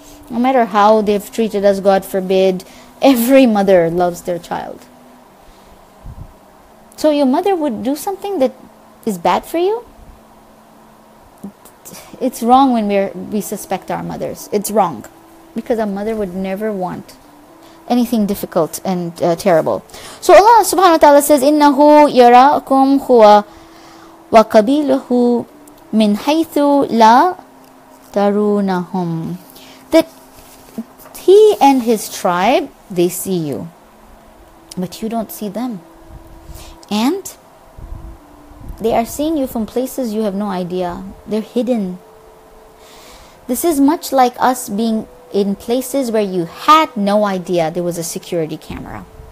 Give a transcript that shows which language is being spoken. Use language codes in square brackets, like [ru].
[en] No matter how they've treated us, God forbid, every mother loves their child. So your mother would do something that is bad for you? It's wrong when we suspect our mothers. It's wrong. Because a mother would never want anything difficult and terrible. So Allah subhanahu wa ta'ala says, [ar] إِنَّهُ يَرَاكُمْ هُوَ وَقَبِيلُهُ مِنْ حَيْثُ لَا تَرُونَهُمْ. [en] That He and His tribe, they see you. But you don't see them. And They are seeing you from places you have no idea. They're hidden. This is much like us being in places where you had no idea there was a security camera.